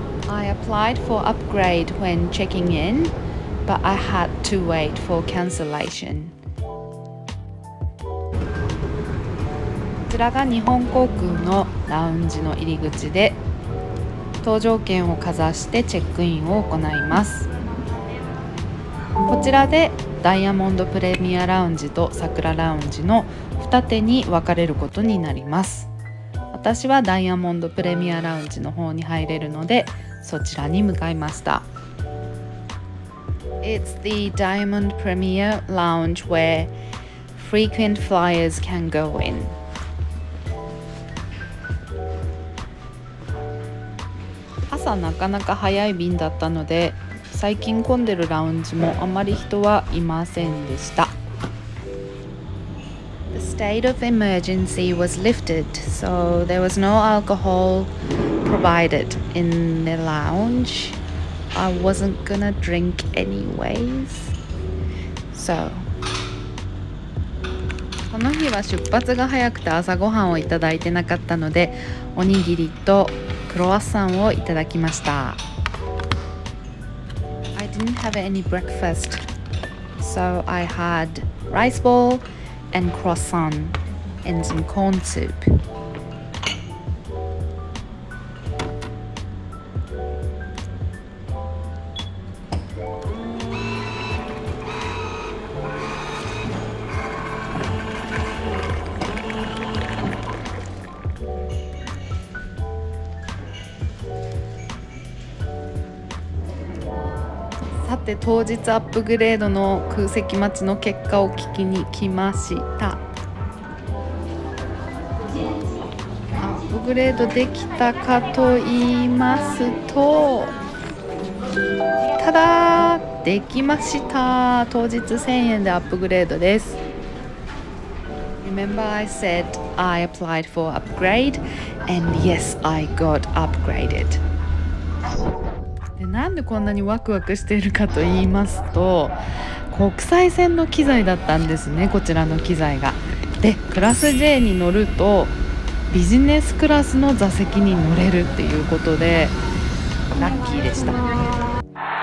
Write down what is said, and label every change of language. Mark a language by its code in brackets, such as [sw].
[en] I applied for upgrade when checking in, but I had to wait for cancellation. [ja] こちらが日本航空のラウンジの入り口で、搭乗券をかざしてチェックインを行います。こちらでダイヤモンドプレミアラウンジと桜ラウンジの二手に分かれることになります。私はダイヤモンドプレミアラウンジの方に入れるので、そちらに向かいました。 [en] It's the Diamond Premier Lounge where frequent flyers can go in. [ja] なかなか早い便だったので、最近混んでるラウンジもあまり人はいませんでした。 [en] The state of emergency was lifted, so there was no alcohol. Provided in the lounge. I wasn't gonna drink anyways. So. [ja] この日は出発が早くて朝ごはんをいただいてなかったので、おにぎりとクロワッサンをいただきました。 [en] I didn't have any breakfast, so I had rice ball and croissant and some corn soup. [ja] って当日アップグレードの空席待ちの結果を聞きに来ました。アップグレードできたかと言いますと、ただできました。当日1000円でアップグレードです。 [en] Remember I said I applied for upgrade and yes I got upgraded。 [ja] でなんでこんなにワクワクしているかと言いますと、国際線の機材だったんですね、こちらの機材が。でクラス J に乗るとビジネスクラスの座席に乗れるっていうことでラッキーでした。